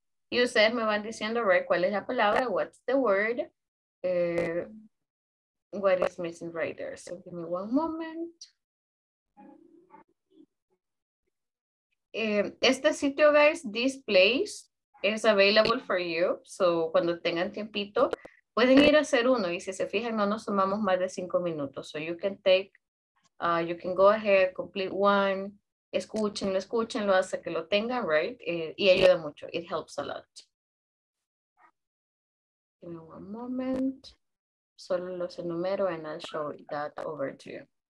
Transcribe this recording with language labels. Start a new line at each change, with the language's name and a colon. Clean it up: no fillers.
Spanish: Y ustedes me van diciendo, right, cuál es la palabra,
English: what's the word, what is missing right there. So, give me one moment.
Spanish: Este sitio,
English: guys, this place, is available for you.
Spanish: So, cuando tengan tiempito, pueden ir a hacer uno. Y si se fijan, no nos tomamos más de 5 minutos.
English: So, you can take, you can go ahead, complete one.
Spanish: Escúchenlo, escúchenlo hasta que lo tengan, right? Y ayuda mucho.
English: It helps a lot. Give me one moment.
Spanish: Solo los enumero
English: and I'll show that over to you.